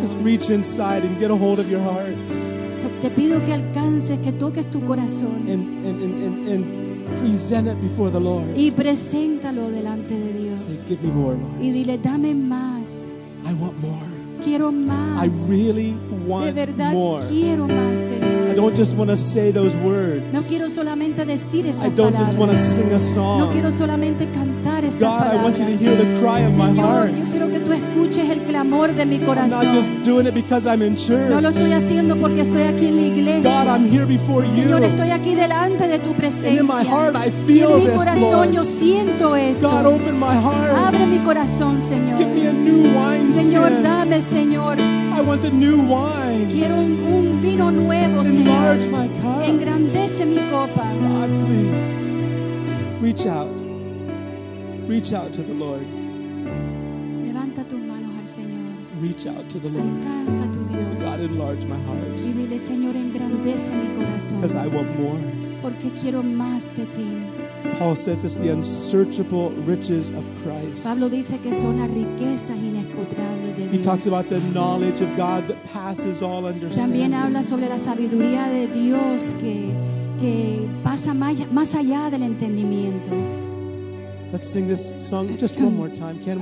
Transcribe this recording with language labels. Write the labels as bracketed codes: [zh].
[en] Just reach inside and get a hold of your heart. [es] So, te pido que alcances, que toques tu corazón. [en] And present it before the Lord. [es] Y preséntalo delante de Dios. [en] Say, give me more, Lord. [es] Y dile, dame más. [en] I want more. [es] Quiero más. [en] I really want [es] de verdad, [en] more. [es] Quiero más, Señor. [en] I don't just want to say those words. [es] No quiero solamente decir esas palabras. [en] I don't [es] palabras. [en] Just want to sing a song. [es] No quiero solamente cantar esta [en] God, [es] palabra. [en] I want you to hear the cry of [es] Señor, [en] my heart. [es] Yo quiero que tú escuches el clamor de mi corazón. [en] I'm not just doing it because I'm in church. [es] No lo estoy haciendo porque estoy aquí en la iglesia. [en] God, I'm here before you. [es] Señor, estoy aquí delante de tu presencia. [en] And in my heart, I feel [es] en mi corazón [en] this, Lord. [es] Yo siento esto. [en] God, open my heart. [es] Abre mi corazón, Señor. [en] Give me a new wine skin. [es] Señor, dame. Señor, [en] I want the new wine. [es] Quiero un vino nuevo, [en] enlarge [es] Señor. [en] My cup. [es] Engrandece mi copa. [en] God, please reach out. Reach out to the Lord. [es] Levanta tus manos al Señor. [en] Reach out to the Lord. [es] Alcanza tu Dios. [en] So God, enlarge my heart. [es] Y dile, Señor, engrandece mi corazón. [en] Because I want more. [es] Porque quiero más de ti. [en] Paul says it's the unsearchable riches of Christ. [es] Pablo dice que son las riquezas inescrutables de Dios. [en] He talks about the knowledge of God that passes all understanding. [es] También habla sobre la sabiduría de Dios que pasa más allá del entendimiento. [en] Let's sing this song just one more time, can we?